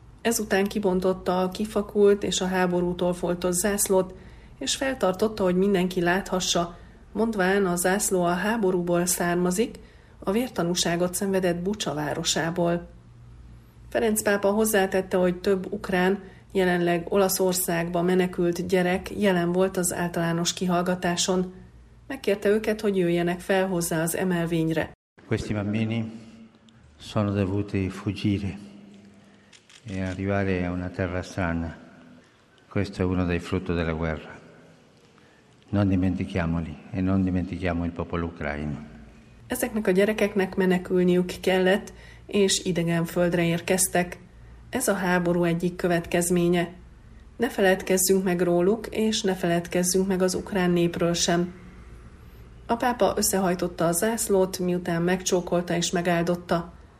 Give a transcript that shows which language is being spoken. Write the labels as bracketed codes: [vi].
[hu] Ezután kibontotta a kifakult és a háborútól foltott zászlót, és feltartotta, hogy mindenki láthassa, mondván a zászló a háborúból származik, a vértanúságot szenvedett Bucsa városából. Ferenc pápa hozzátette, hogy több ukrán, jelenleg Olaszországba menekült gyerek jelen volt az általános kihallgatáson. Megkérte őket, hogy jöjjenek fel hozzá az emelvényre. [it] Questi bambini sono dovuti fuggire e arrivare a una terra strana. Questo è uno dei frutti della guerra. Non dimentichiamoli e non dimentichiamo il popolo ucraino. [hu] Ezeknek a gyerekeknek menekülniük kellett, és idegen földre érkeztek. Ez a háború egyik következménye. Ne feledkezzünk meg róluk, és ne feledkezzünk meg az ukrán népről sem. A pápa összehajtotta a zászlót, miután megcsókolta és megáldotta.